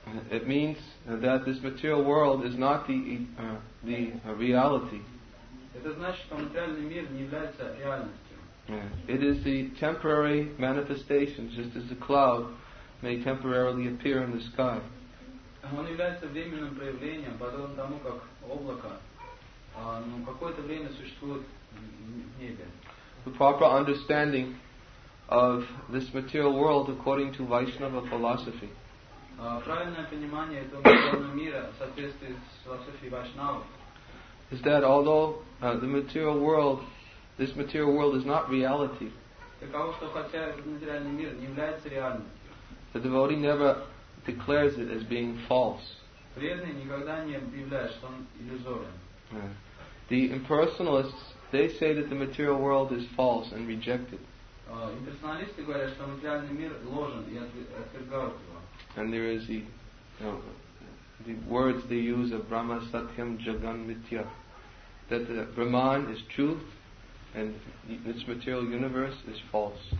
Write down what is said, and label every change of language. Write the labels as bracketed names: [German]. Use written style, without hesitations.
[English] It means that this material world is not the reality. [Russian] Это значит, что материальный мир не является реальностью. [English] It is the temporary manifestation, just as a cloud may temporarily appear in the sky. [Russian] Он является временным проявлением, подобно тому, как облако какое-то время существует в небе. [English] The proper understanding of this material world according to Vaishnava philosophy. [Russian] Правильное понимание этого материального мира в соответствии с философией Вайшнава. [English] Is that although the material world, this material world is not reality. [Russian] Таково, что хотя материальный мир не является реальностью. [English] The devotee never declares it as being false. [Russian] Преданный никогда не объявляет, что он иллюзорен. [English] The impersonalists, they say that the material world is false and rejected. [Russian] Имперсоналисты говорят, что материальный мир ложен и отвергают его. [English] And there is the, the words they use of [Sanskrit] Brahma Satyam Jagan Mitya, [English] that the Brahman is truth and its material universe is false.